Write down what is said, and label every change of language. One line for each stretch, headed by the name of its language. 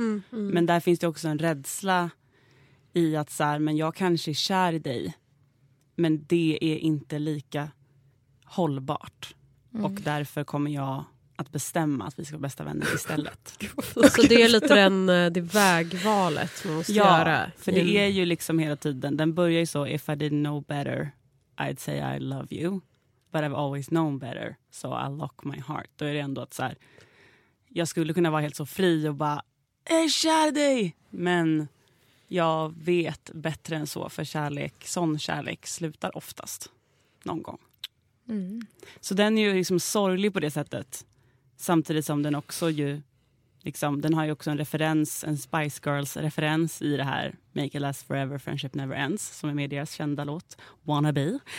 Swedish: Men där finns det också en rädsla i att så här, men jag kanske är kär i dig, men det är inte lika hållbart. Och därför kommer jag att bestämma att vi ska vara bästa vänner istället. Så det är lite den, det vägvalet man måste göra. För det är ju liksom hela tiden, den börjar ju så,
English: if I didn't know better, I'd say I love you. But I've always known better, so I lock my heart.
Swedish: Då är det ändå att så här, jag skulle kunna vara helt så fri och bara, jag är kär i dig! Men jag vet bättre än så, för kärlek, sån kärlek slutar oftast någon gång. Så den är ju liksom sorglig på det sättet. Samtidigt som den också ju liksom, den har ju också en referens, en Spice Girls referens i det här Make It Last Forever, Friendship Never Ends, som är med deras kända låt Wannabe.